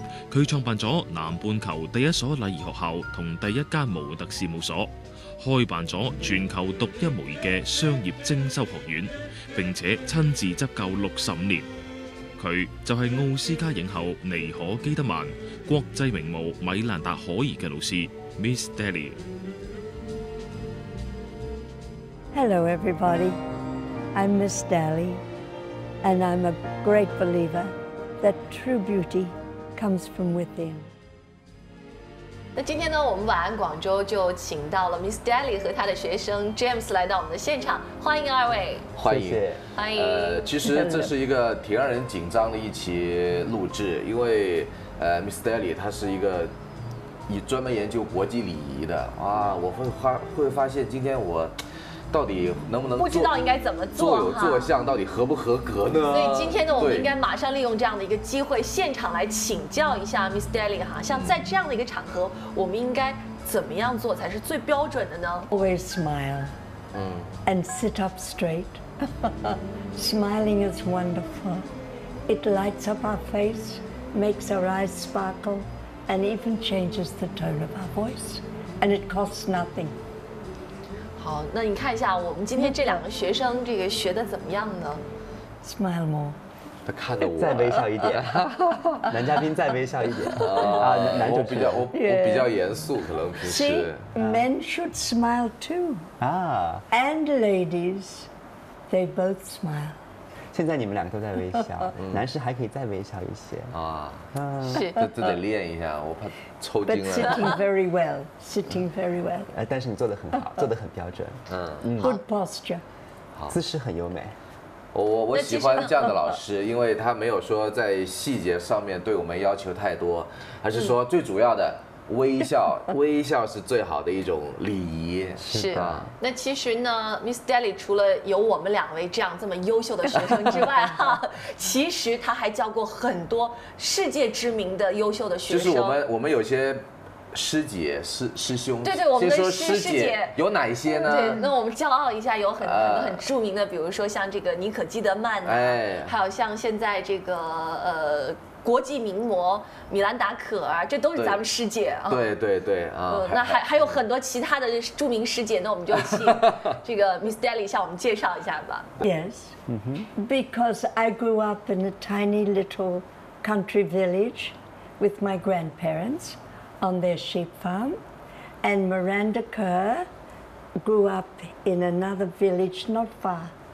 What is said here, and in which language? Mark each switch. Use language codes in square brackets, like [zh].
[zh] 他创办了南半球第一所礼仪学校和第一家模特事务所，开办了全球独一无二的商业精修学院，并且亲自执教65年。他就是奥斯卡影后尼可基德曼、国际名模米兰达可儿的老师 Miss Daly。 [en] Hello everybody, I'm Miss Daly, and I'm a great believer that true beauty comes from within. [zh] 那今天呢，我们晚安广州就请到了 Miss Daly 和她的学生 James 来到我们的现场，欢迎二位，欢迎，欢迎。其实这是一个挺让人紧张的一期录制，因为Miss Daly 她是一个以专门研究国际礼仪的啊，我会发现今天我。到底能不能做，不知道应该怎么做，坐有坐相到底合不合格呢？所以今天呢，我们应该马上利用这样的一个机会，现场来请教一下 Miss Daly 哈，像在这样的一个场合，我们应该怎么样做才是最标准的呢 [en] ？Always smile, and sit up straight. Smiling is wonderful. It lights up our face, makes our eyes sparkle, and even changes the tone of our voice. And it costs nothing. [zh] 好，那你看一下我们今天这两个学生这个学的怎么样呢 [en] ？Smile more， [zh] 他看着我，再微笑一点，男嘉宾再微笑一点啊，男主比较我比较严肃，可能平时。 [en] See, men should smile too. Ah. And ladies, they both smile. [zh] 现在你们两个都在微笑，男士还可以再微笑一些啊。是，这得练一下，我怕抽筋了。 [en] But sitting very well, sitting very well. [zh] 但是你做得很好，做得很标准。 [en] Good posture. [zh] 姿势很优美。我喜欢这样的老师，因为他没有说在细节上面对我们要求太多，而是说最主要的。微笑，微笑是最好的一种礼仪。是啊，那其实呢 ，Miss Daly 除了有我们两位这样这么优秀的学生之外，哈，其实他还教过很多世界知名的优秀的学生。就是我们有些师姐、师兄，对对，我们的师姐有哪一些呢？对，那我们骄傲一下，有很著名的，比如说像这个尼可基德曼，还有像现在这个国际名模米兰达可儿，这都是咱们师姐啊。对对对啊，那还有很多其他的著名师姐，那我们就请这个 Miss Daly 向我们介绍一下吧。 [en] Yes, because I grew up in a tiny little country village with my grandparents on their sheep farm, and Miranda Kerr grew up in another village not far.